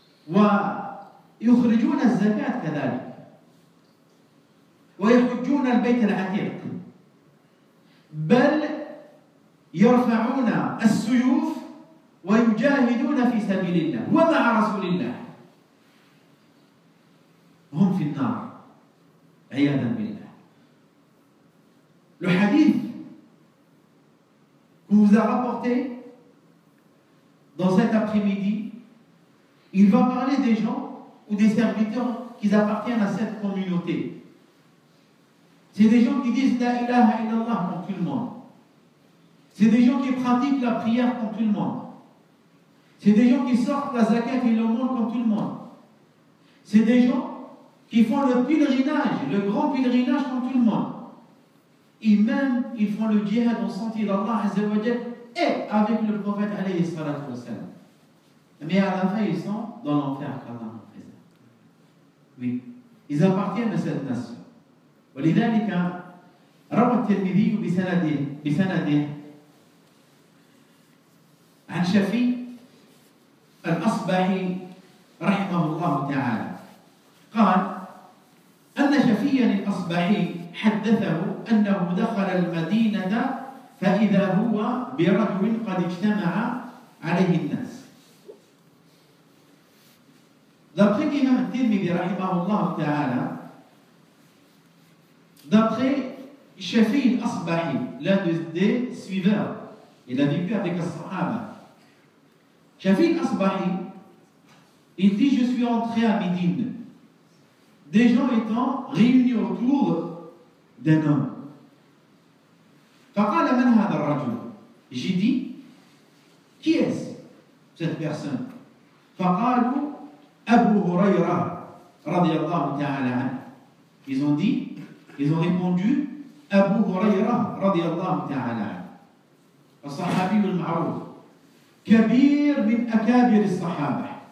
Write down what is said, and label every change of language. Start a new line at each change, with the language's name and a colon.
Arabic: ويخرجون الزكاة كذلك ويحجون البيت العتيق بل يرفعون السيوف ويجاهدون في سبيل الله ومع رسول الله هم في النار عياذا بالله.
French: Le hadith qu'on vous a rapporté dans cet après-midi, il va parler des gens ou des serviteurs qui appartiennent à cette communauté. C'est des gens qui disent La ilaha illallah pour tout le monde. C'est des gens qui pratiquent la prière pour tout le monde. C'est des gens qui sortent la zakat et l'aumône pour tout le monde. C'est des gens qui font le pèlerinage, le grand pèlerinage pour tout le monde. Et même, ils font le djihad au sentier d'Allah Azza wa Jal et avec le prophète alayhi salatu wa sallam. Mais à la fin, ils sont dans l'enfer qu'Allah nous préserve. Oui, ils appartiennent à cette nation.
Arabic: Et لذلك, روى الترمذي بسنده عن شفي الأصبحي رحمه الله تعالى قال أن شفيا الأصبحي حدثه أنه دخل المدينة فإذا هو برجل قد اجتمع عليه الناس.
French: D'après Imam al-Tirmidhi
Arabic: رحمه الله تعالى,
French: d'après Shafi al-Asbahi, l'un des suiveurs, il a vécu avec les Sahaba. Shafi al-Asbahi, Il dit, je suis entré à Médine. Des gens étant réunis autour d'un homme.
Arabic: فقال من هذا الرجل؟
French: J'ai dit, qui est-ce cette personne?
Arabic: فقالوا أبو هريرة رضي الله تعالى عنه.
French: Ils ont dit, ils ont répondu,
Arabic: أبو هريرة رضي الله تعالى عنه. الصحابي المعروف كبير من أكابر الصحابة.